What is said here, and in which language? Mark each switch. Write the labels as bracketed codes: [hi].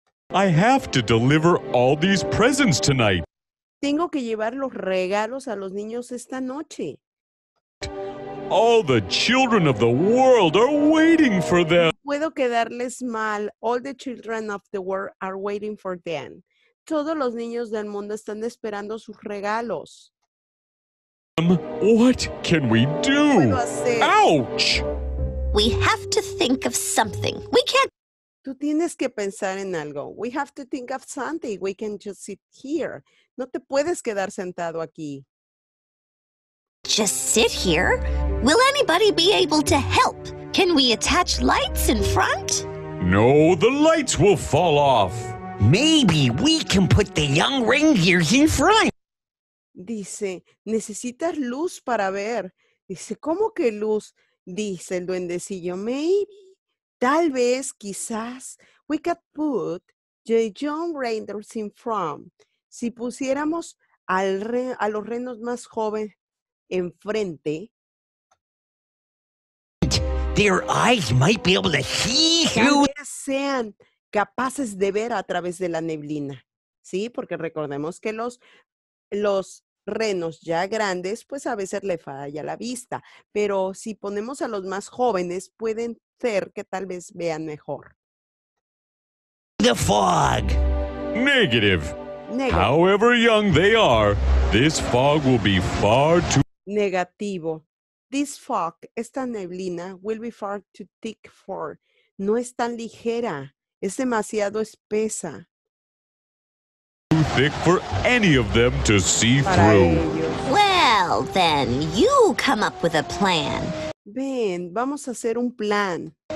[en] I have to deliver all these presents tonight. [es] Tengo que llevar los regalos a los niños esta noche. [en] All the children of the world are waiting for them. [es] No puedo quedarles mal. [en] All the children of the world are waiting for them. [es] Todos los niños del mundo están esperando sus regalos. [en] What can we do? [es] ¿Qué puedo hacer? [en] Ouch! We have to think of something. We can't. [es] Tú tienes que pensar en algo. [en] We have to think of something. We can't just sit here. [es] No te puedes quedar sentado aquí. [en] Just sit here? Will anybody be able to help? Can we attach lights in front? No, the lights will fall off. Maybe we can put the young reindeers in front. [es] Dice, necesitas luz para ver. Dice, ¿cómo que luz? Dice el duendecillo, [en] maybe, [es] tal vez, quizás, [en] we could put the young reindeers in front. [es] Si pusiéramos a los renos más jóvenes enfrente, [en] their eyes might be able to see through. [es] Ya sean capaces de ver a través de la neblina. ¿Sí? Porque recordemos que los renos ya grandes, pues a veces le falla la vista. Pero si ponemos a los más jóvenes, pueden ser que tal vez vean mejor. [en] The fog. Negative. However young they are, this fog will be far too... [es] Negativo. [en] This fog, [es] esta neblina, [en] will be far too thick for. [es] No es tan ligera. Es demasiado espesa. [en] Too thick for any of them to see [es] para [en] through. [es] Ellos. [en] Well, then, you come up with a plan. [es] Ven, vamos a hacer un plan.